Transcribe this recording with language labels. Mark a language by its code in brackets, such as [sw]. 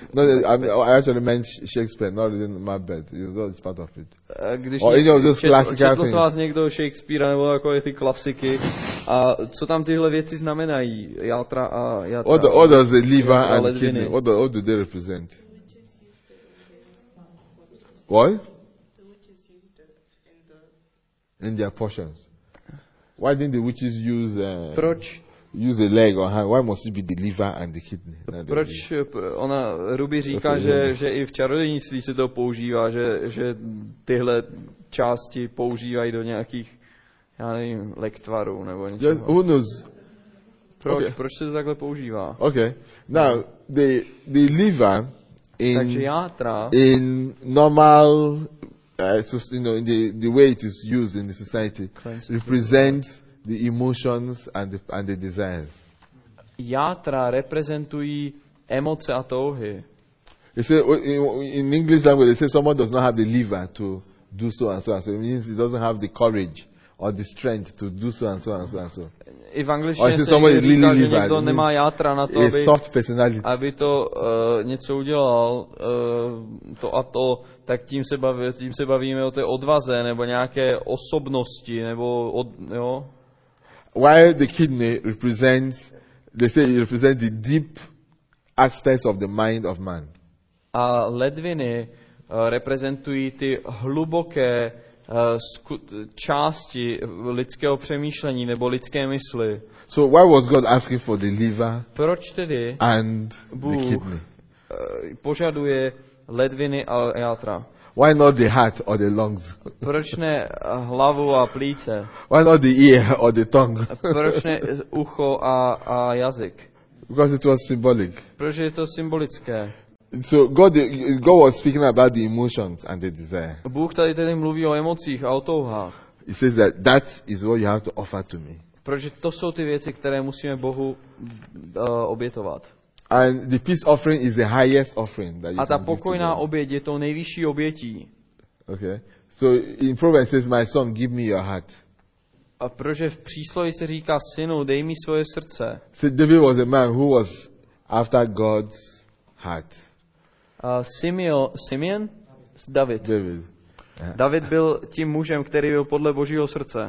[en] No, I actually meant Shakespeare, not in Macbeth. It's part of it. Or any of those classical things. [cs] Četl z vás někdo Shakespeare nebo takové ty klasiky? A co tam tyhle věci znamenají? Játra a játra. [en] What does the liver and kidney? What do they represent? What? In their portions. Why didn't the witches use? [cs] Proč? [en] Use the leg or hand. Why must it be the liver and the kidney? [cs] Proč ona Ruby říká, okay, že i v čarodějnictví se to používá, že tyhle části používají do nějakých, já nevím, lektvarů nebo něco. [en] Yes, who knows? [cs] Proč se to takhle používá? [en] Okay. Now the liver in [cs] takže játra, [en] in normal you know in the way it is used in the society represents the emotions and the desires. [cs] Játra reprezentují emoce a touhy. [en] You see, in English language, they say someone does not have the liver to do so and so and so. It means he doesn't have the courage or the strength to do so and so and so and so. [cs] I v angličtině se říká, [en] really [cs] že liver, někdo nemá játra na to, aby to něco udělal, to a to, tak tím se bavíme o té odvaze nebo nějaké osobnosti nebo jo. [en] While the kidney represents, they say it represents the deep aspects of the mind of man. [cs] A ledviny reprezentují ty hluboké části lidského přemýšlení nebo lidské mysli. [en] So why was God asking for the liver? [cs] Proč tedy [en] and [cs] Bůh [en] the kidney? [cs] Požaduje ledviny a játra. [en] Why not the heart or the lungs? [cs] Proč ne hlavu a plíce? [en] Why not the ear or the tongue? [cs] Proč ne ucho a jazyk? [en] Because it was symbolic. [cs] Proč je to symbolické? [en] So God was speaking about the emotions and the desire. [cs] Bůh tady tedy mluví o emocích a o touhách. [en] He says that is what you have to offer to me. [cs] Protože to jsou ty věci, které musíme Bohu obětovat. [en] And the peace offering is the highest offering that you can give. [cs] A ta pokojná oběť je to nejvyšší obětí. [en] Okay. So in Proverbs says, my son, give me your heart. A protože v přísloví se říká, synu, dej mi svoje srdce. So David was a man who was after God's heart. Simeon? David. David. [cs] David byl tím mužem, který byl podle Božího srdce.